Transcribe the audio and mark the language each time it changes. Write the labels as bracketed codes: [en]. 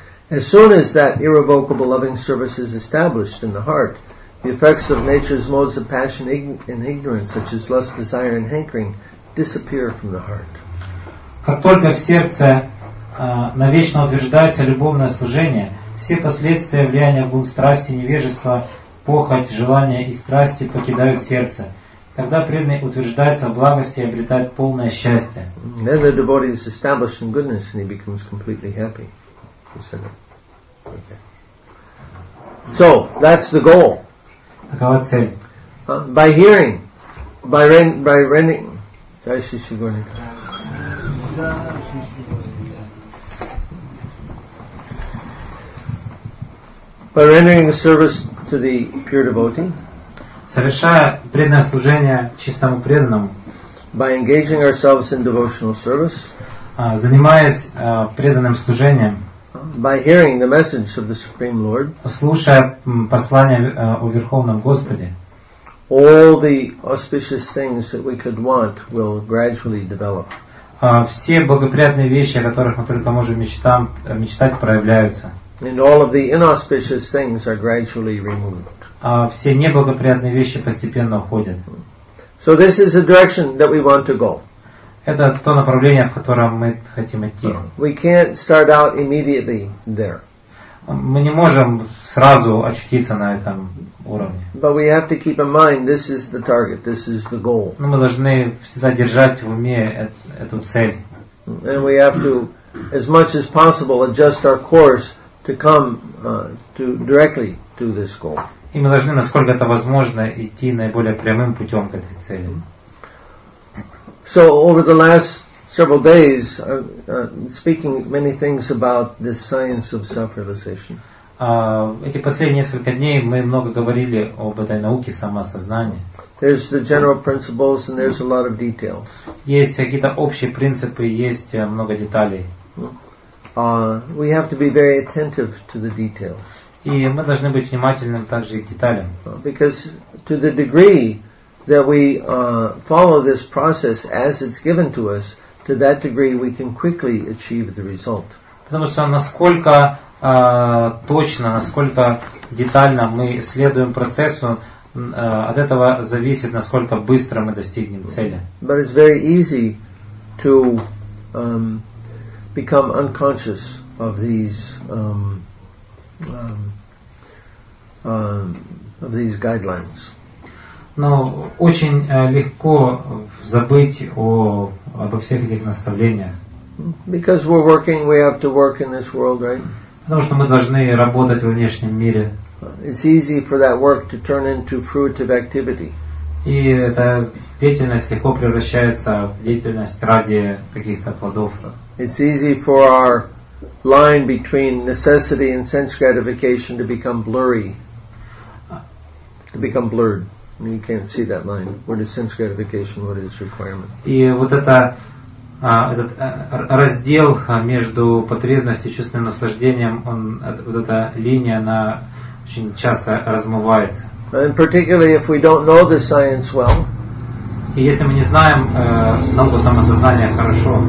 [en] As soon as that irrevocable loving service is established in the heart, the effects of nature's modes of passion and ignorance, such as lust, desire, and hankering, disappear from the heart. [ru] Как только в сердце навечно утверждается любовное служение, все последствия влияния бунт страсти, невежества, похоть, желания и страсти покидают сердце. Тогда преданный утверждается в благости и обретает полное счастье. [en] Then the devotee is established in goodness and he becomes completely happy. Okay. So that's the goal. [ru] Такова цель. [en] By hearing, by rendering. Jai Shri Shri Gauranga. By rendering a service to the pure devotee. [ru] Совершая преданное служение чистому преданному. [en] By engaging ourselves in devotional service. [ru] Занимаясь преданным служением. [en] By hearing the message of the Supreme Lord, [ru] слушая послание о Верховном Господе, [en] all the auspicious things that we could want will gradually develop. [ru] Все благоприятные вещи, о которых мы только можем мечтать, проявляются. [en] And all of the inauspicious things are gradually removed. [ru] Все неблагоприятные вещи постепенно уходят. [en] So this is the direction that we want to go. [ru] Это то направление, в котором мы хотим идти. [en] We can't start out immediately there. [ru] Мы не можем сразу очутиться на этом уровне. [en] But we have to keep in mind this is the target, this is the goal. [ru] Но мы должны всегда держать в уме эту цель. [en] And we have to, as much as possible, adjust our course to come to directly to this goal. [ru] И мы должны, насколько это возможно, идти наиболее прямым путем к этой цели. [en] So over the last several days, speaking many things about the science of self-realization. [ru] Эти последние несколько дней мы много говорили об этой науке самосознания. [en] There's the general principles and there's a lot of details. [ru] Есть какие-то общие принципы, есть много деталей. [en] We have to be very attentive to the details. [ru] И мы должны быть внимательным также и к деталям. [en] Because to the degree that we follow this process as it's given to us, to that degree we can quickly achieve the result. [ru] Потому что насколько точно, насколько детально мы следуем процессу, от этого зависит, насколько быстро мы достигнем цели. [en] But it's very easy to become unconscious of these guidelines. [ru] Но очень легко забыть обо всех этих наставлениях. [en] Because we're working, we have to work in this world, right? [ru] Потому что мы должны работать в внешнем мире. [en] It's easy for that work to turn into fruitive activity. [ru] И эта деятельность легко превращается в деятельность ради каких-то плодов. [en] It's easy for our line between necessity and sense gratification to become blurry. To become blurred. You can't see that line. What is sense gratification? What is requirement? [ru] И вот это этот раздел между потребностью и чувственным наслаждением, он вот эта линия, она очень часто размывается. [en] And particularly if we don't know the science well. [ru] И если мы не знаем науку самосознания хорошо.